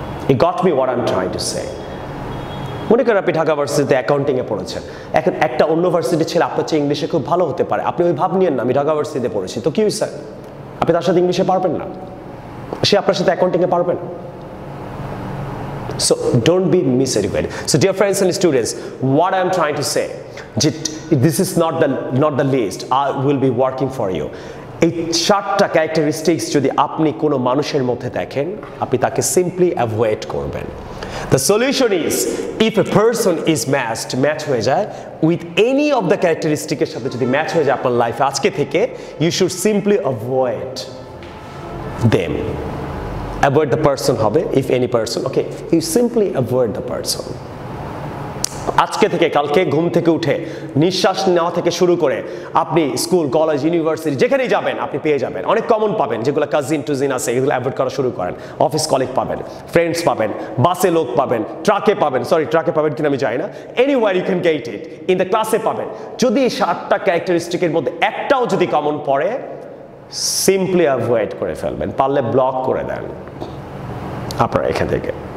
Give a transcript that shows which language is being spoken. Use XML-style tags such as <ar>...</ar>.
<en>it got me what I am trying to say</en> <bn>মনে করেন আপনি ঢাকা ভার্সিটিতে অ্যাকাউন্টিংয়ে পড়েছেন এখন একটা অন্য ভার্সিটি ছিল আপনার চেয়ে ইংলিশে খুব ভালো হতে পারে আপনি ওই ভাব নিয়েন না আমি ঢাকা ভার্সিটিতে পড়েছি তো কি হয়েছে আপনি তার সাথে ইংলিশে পারবেন না সে আপনার সাথে অ্যাকাউন্টিংয়ে পারবে না</bn> <en>So don't be miseducated. So dear friends and students, what I am trying to say, this is not the least. I will be working for you.</en> <bn>এই চারটা ক্যারেক্টারিস্টিক্স যদি আপনি কোনো মানুষের মধ্যে দেখেন আপনি তাকে সিম্পলি অ্যাভয়েড করবেন</bn> <en>the solution is if a person is matched</en> <bn>match হয়ে যায়</bn> <en>with any of the</en> <bn>ক্যারেক্টারিস্টিকের সাথে যদি ম্যাচ হয়ে যায় আপনার লাইফে আজকে থেকে</bn> <en>You should simply avoid them Avoid the person, if any person. Okay, you simply avoid the person.</en> <bn>আজকে থেকে কালকে ঘুম থেকে উঠে নিঃশ্বাস নেওয়া থেকে শুরু করে আপনি স্কুল কলেজ ইউনিভার্সিটি যেখানেই যাবেন আপনি পেয়ে যাবেন অনেক কমন পাবেন যেগুলো কাজিন টুজিন আছে এগুলো অ্যাভয়েড করা শুরু করেন অফিস কলিগ পাবেন ফ্রেন্ডস পাবেন বাসে লোক পাবেন ট্রাকে পাবেন কিনা আমি জানি না</bn> <en>anywhere you can get it in the</en> <bn>ক্লাসে পাবেন যদি এই সাতটা ক্যারেক্টারিস্টিকের মধ্যে একটাও যদি কমন পড়ে সিম্পলি অ্যাভয়েড করে ফেলবেন পারলে ব্লক করে দেন আপনারা এখান থেকে</bn>